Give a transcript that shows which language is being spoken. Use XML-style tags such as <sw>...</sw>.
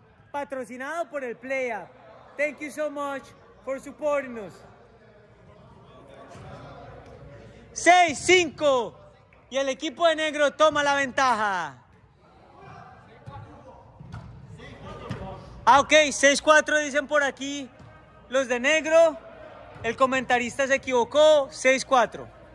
<es>Patrocinado por el Play App.</es> <en>Thank you so much for supporting us.</en> <es>6-5. Y el equipo de negro toma la ventaja. Ah, ok, 6-4 dicen por aquí los de negro. El comentarista se equivocó. 6-4.</es>